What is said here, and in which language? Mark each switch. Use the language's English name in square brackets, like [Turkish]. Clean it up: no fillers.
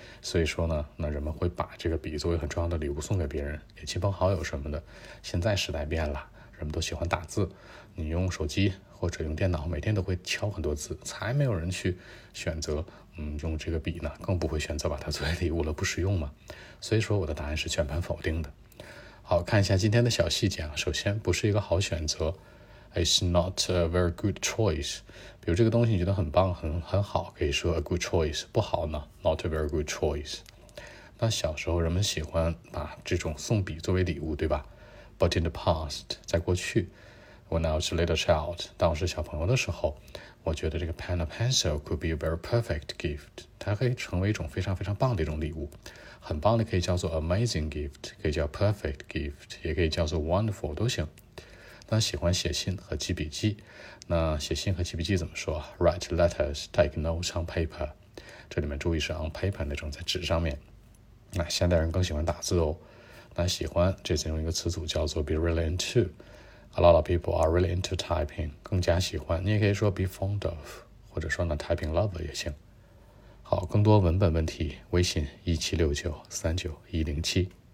[Chinese] 所以说呢，那人们会把这个笔作为很重要的礼物送给别人，给亲朋好友什么的。现在时代变了，人们都喜欢打字，你用手机或者用电脑每天都会敲很多字，才没有人去选择用这个笔呢，更不会选择把它作为礼物了，不实用嘛。所以说我的答案是全盘否定的。好，看一下今天的小细节啊。首先，不是一个好选择， [English] It's not a very good choice。 [Chinese] 比如这个东西你觉得很棒很好，可以说 [English] a good choice。 [Chinese] 不好呢， [English] not a very good choice。 [Chinese] 那小时候人们喜欢把这种送笔作为礼物，对吧？ [English] But in the past, [Chinese] 在过去 [English] when I was a little child, [Chinese] 当我是小朋友的时候，我觉得这个 [English] pen or pencil could be a very perfect gift, [Chinese] 它可以成为一种非常非常棒的一种礼物。很棒的可以叫做 [English] amazing gift, [Chinese] 可以叫 [English] perfect gift, [Chinese] 也可以叫做 wonderful, 都行。那喜欢写信和记笔记，那写信和记笔记怎么说？ [English] Write letters, take notes on paper, [Chinese] 这里面注意是 [English] on paper [Chinese] 那种在纸上面。那现代人更喜欢打字哦。那喜欢这次用一个词组叫做 [English] be really into, a lot of people are really into typing, [Chinese] 更加喜欢，你也可以说 [English] be fond of, [Chinese] 或者说呢 [English] typing lover [Chinese] 也行。好，更多文本问题，微信17693910。